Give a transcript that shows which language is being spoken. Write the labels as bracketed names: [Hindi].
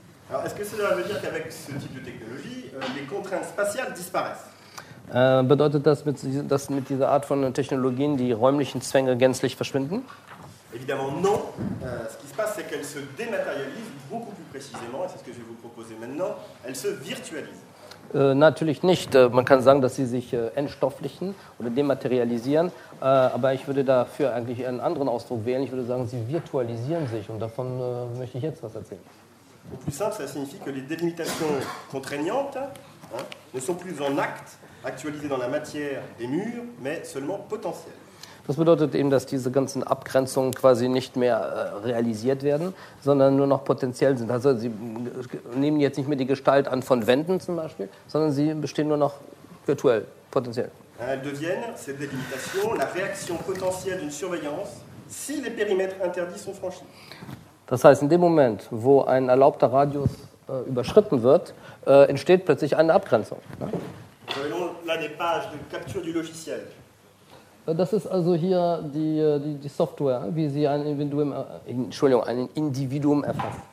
[French] Alors, est-ce que cela veut dire qu'avec ce type de technologie, les contraintes spatiales disparaissent? [German] Bedeutet das, dass mit dieser Art von Technologien die räumlichen Zwänge gänzlich verschwinden? [French] Évidemment non. Ce qui se passe, c'est qu'elles se dématérialisent beaucoup plus précisément, et c'est ce que je vais vous proposer maintenant, elles se virtualisent. [German] Natürlich nicht. Man kann sagen, dass sie sich entstofflichen oder dematerialisieren. Aber ich würde dafür eigentlich einen anderen Ausdruck wählen. Ich würde sagen, sie virtualisieren sich. Und davon möchte ich jetzt was erzählen. [French] Au plus simple, ça signifie que les délimitations contraignantes ne sont plus en acte, actualisées dans la matière des murs, mais seulement potentielles. [German] Das bedeutet eben, dass diese ganzen Abgrenzungen quasi nicht mehr realisiert werden, sondern nur noch potenziell sind. Also sie nehmen jetzt nicht mehr die Gestalt an von Wänden zum Beispiel, sondern sie bestehen nur noch virtuell, potenziell. [French] Elles deviennent, ces délimitations, la réaction potentielle d'une surveillance, si les périmètres interdits sont franchis. [German] Das heißt, in dem Moment, wo ein erlaubter Radius überschritten wird, entsteht plötzlich eine Abgrenzung. Ne? Wir haben hier die [French] Page de capture du logiciel. [German] Das ist also hier die Software, wie sie ein Individuum, erfasst.